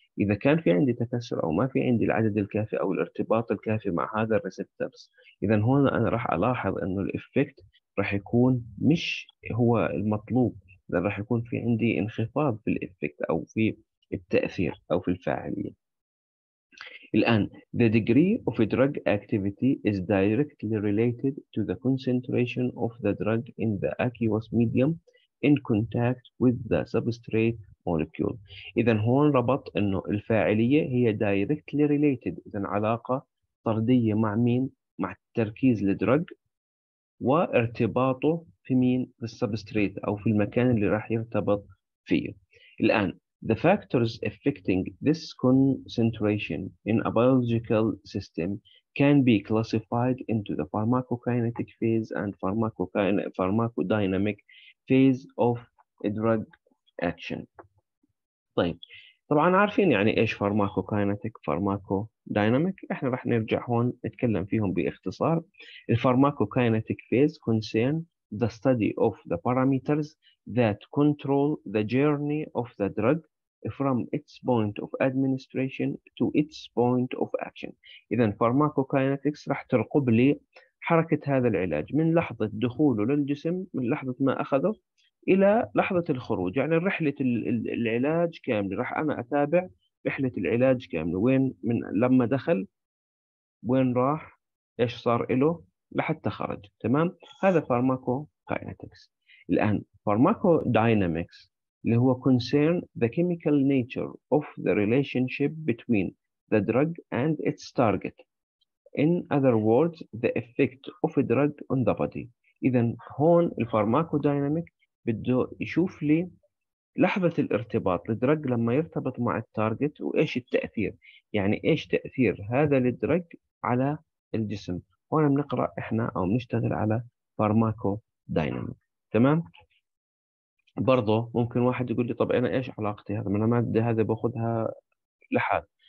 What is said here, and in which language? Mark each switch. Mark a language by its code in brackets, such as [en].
[ar] إذا كان في عندي تكسر أو ما في عندي العدد الكافي أو الارتباط الكافي مع هذا الريسبتورز، إذا هون أنا راح ألاحظ إنه الإفكت راح يكون مش هو المطلوب، إذا راح يكون في عندي انخفاض في الإفكت أو في التأثير أو في الفاعلية. [en] الآن the degree of drug activity is directly related to the concentration of the drug in the aqueous medium in contact with the substrate molecule. [ar] إذا هون ربط إنه الفاعلية هي [en] directly related، [ar] إذا علاقة طردية مع مين؟ مع التركيز للدرج، وارتباطه في مين؟ بالسبستريت أو في المكان اللي راح يرتبط فيه. [en] الآن the factors affecting this concentration in a biological system can be classified into the pharmacokinetic phase and pharmacodynamic phase of a drug action. [ar] طيب طبعا عارفين يعني ايش فارماكوكاينتيك فارماكوديناميك، احنا راح نرجع هون نتكلم فيهم باختصار. [en] الفارماكوكاينتيك phase concern the study of the parameters that control the journey of the drug from its point of administration to its point of action. [ar] اذا فارماكوكاينتكس راح ترقب لي حركه هذا العلاج من لحظه دخوله للجسم، من لحظه ما اخذه إلى لحظة الخروج، يعني رحلة العلاج كاملة، راح أنا أتابع رحلة العلاج كاملة، وين من لما دخل، وين راح، إيش صار إله لحتى خرج، تمام؟ هذا pharmacokinetics. [en] الآن pharmacodynamics اللي هو concern the chemical nature of the relationship between the drug and its target. In other words, the effect of a drug on the body. [ar] إذا هون الفارماكوديناميك بده يشوف لي لحظة الارتباط للدرج لما يرتبط مع التارجت، وإيش التأثير، يعني إيش تأثير هذا الدرج على الجسم. هنا بنقرأ إحنا أو بنشتغل على فارماكو دايناميك، تمام؟ برضو ممكن واحد يقول لي طب أنا إيش علاقتي هذا، أنا مادة هذا بأخذها لحال.